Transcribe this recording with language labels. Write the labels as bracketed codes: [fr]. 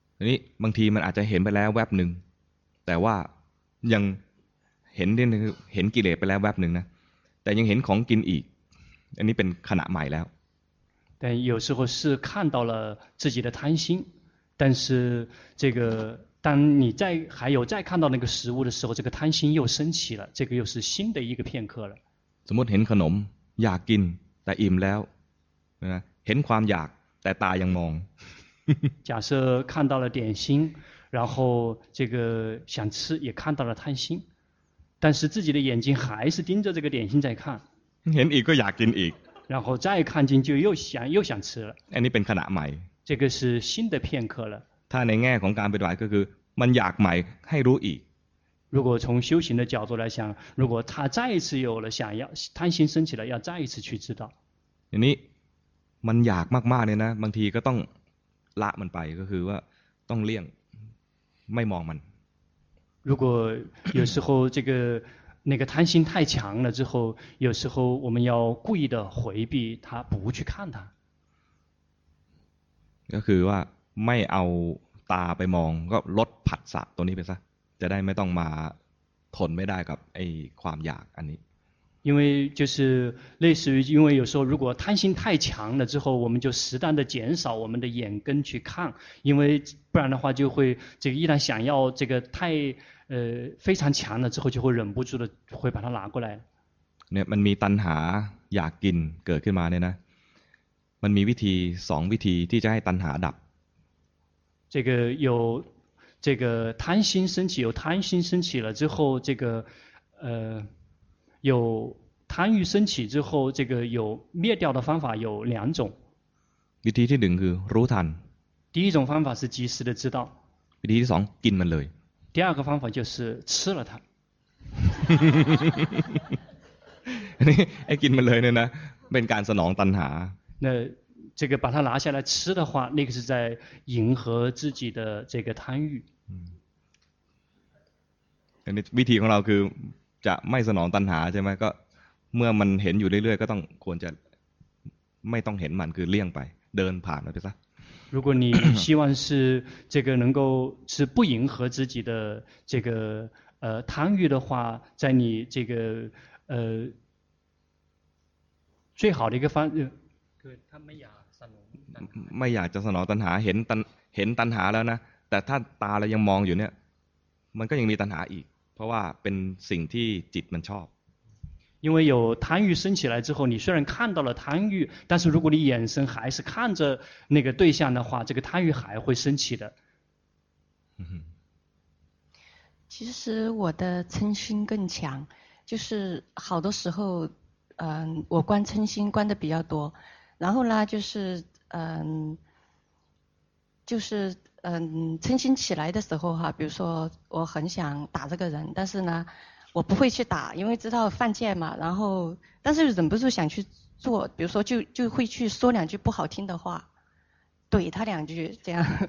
[th] นี่บางทีมันอาจจะเห็นไปแล้วแวบหนึ่งแต่ว่ายังเห็นเห็นกิเลสไปแล้วแวบหนึ่งนะแต่ยังเห็นของกินอีกอันนี้เป็นขณะใหม่แล้ว แต่ [zh] 有时候是看到了自己的贪心但是这个当你再还有再看到那个食物的时候这个贪心又升起了这个又是新的一个片刻了 [th] สมมติเห็นขนมอยากกินแต่อิ่มแล้วนะเห็นความอยากแต่ตายังมอง [zh] 假设看到了点心然后这个想吃也看到了贪心但是自己的眼睛还是盯着这个点心在看 [th] เห็นอีกก็อยากกินอีก [zh] 然后再看进就又想吃了 [th] อันนี้เป็นขณะใหม่ [zh] 这个是新的片刻了 [th] ถ้าในแง่ของการปฏิบัติก็คือมันอยากใหม่ให้รู้อีก [zh] 如果从修行的角度来想如果他再一次有了想要贪心升起了要再一次去知道 [th] อันนี้มันอยากมากๆเนี่ยนะบางทีก็ต้องละมันไปก็คือว่าต้องเลี่ยงไม่มองมัน [zh] 如果有时候这个那个贪心太强了之后有时候我们要故意的回避他不去看他 [th] ก็คือว่าไม่เอาตาไปมองก็ลดผัสสะตัวนี้ไปซะจะได้ไม่ต้องมาทนไม่ได้กับไอ้ความอยากอันนี้ [zh] 因为就是类似于因为有时候如果贪心太强了之后我们就适当的减少我们的眼根去看因为不然的话就会这个一旦想要这个太非常强了之后就会忍不住的会把它拿过来 [th] เนี่ยมันมีตัณหาอยากกินเกิดขึ้นมาเนี่ยนะมันมีวิธี2วิธีที่จะให้ตัณหาดับ [zh] 这个有这个贪心升起有贪心升起了之后这个有贪欲升起之后这个有灭掉的方法有两种 [th] วิธีที่1คือรู้ทัน [zh] 第一种方法是及时的知道 [th] วิธีที่2กินมันเลย [zh] 第二个方法就是吃了它 [th] ไอ้กินมันเลยเนี่ยนะเป็นการสนองตัณหา [zh] 那这个把它拿下来吃的话那个是在迎合自己的这个贪欲 [th] วิธีของเราคือจะไม่สนองตัณหาใช่ไหมก็เมื่อมันเห็นอยู่เรื่อยๆก็ต้องควรจะไม่ต้องเห็นมันคือเลี่ยงไปเดินผ่านไปซะ [zh] 如果你希望是这个能够是不迎合自己的这个贪欲的话在你这个最好的一个方式 [th] คือถ้าไม่อยากสนอง ไม่อยากจะสนองตัณหาเห็นตัณหาแล้วนะแต่ถ้าตาเรายังมองอยู่เนี่ยมันก็ยังมีตัณหาอีกเพราะว่าเป็นสิ่งที่จิตมันชอบ [zh] 因为有贪欲升起来之后你虽然看到了贪欲但是如果你眼神还是看着那个对象的话这个贪欲还会升起的其实我的嗔心更强就是好多时候我观嗔心观的比较多然后呢就是嗔心起来的时候哈比如说我很想打这个人但是呢我不会去打因为知道犯戒嘛然后但是忍不住想去做比如说就会去说两句不好听的话怼他两句这样